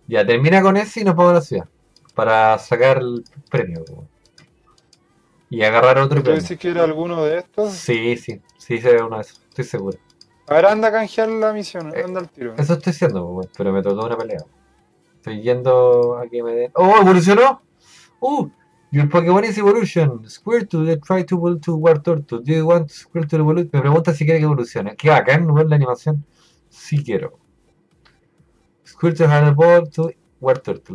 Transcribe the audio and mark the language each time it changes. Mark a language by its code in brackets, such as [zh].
[es] Ya, termina con ese y nos vamos a la ciudad. Para sacar el premio, weón. Y agarrar otro ¿Pero premio. dices que era alguno de estos? Sí, se ve uno de esos. Estoy seguro. Ahora anda a canjear la misión, anda al tiro. Eso estoy haciendo, pero me tocó una pelea. Estoy yendo a que me den. ¡Oh, evolucionó! [en] Your Pokémon is evolution. Squirtle will try to evolve to Wartortle. Do you want Squirtle to evolve? [es] Me pregunta si quiere que evolucione. Qué bacán, ¿no es la animación? Sí quiero. [en] Squirtle has evolved to Wartortle.